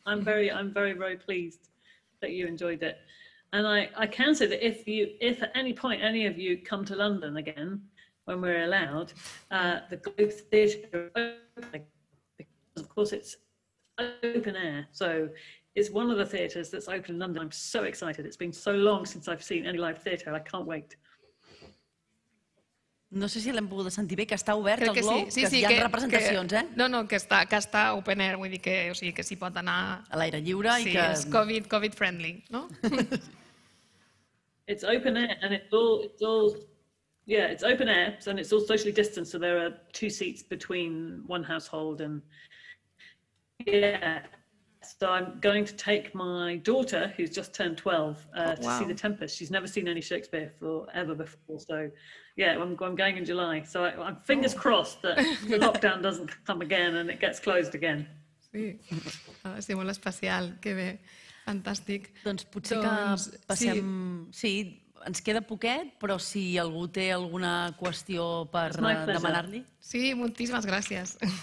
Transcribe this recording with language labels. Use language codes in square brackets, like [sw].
[en] I'm very pleased that you enjoyed it. And I can say that if at any point any of you come to London again, when we're allowed, the Globe Theatre, because of course it's open air, so it's one of the theatres that's open in London. I'm so excited. It's been so long since I've seen any live theatre. I can't wait. [ca] No sé si l'hem pogut sentir bé, que està obert el Globe, que hi ha representacions, eh? No, que està [en] open air, [ca] vull dir que, o sigui, que s'hi pot anar a l'aire lliure i que... Sí, és COVID friendly, no? [en] It's open air and it's open air, so it's all socially distanced, so there are 2 seats between one household and, so I'm going to take my daughter, who's just turned 12, to see The Tempest. She's never seen any Shakespeare ever before, so I'm going in July, so I'm fingers crossed that the lockdown doesn't come again and it gets closed again. [ca] Sí, molt especial, que bé, fantàstic. Doncs potser que passem... Sí. Ens queda poquet, però si algú té alguna qüestió per demanar-li. Sí, moltíssimes gràcies.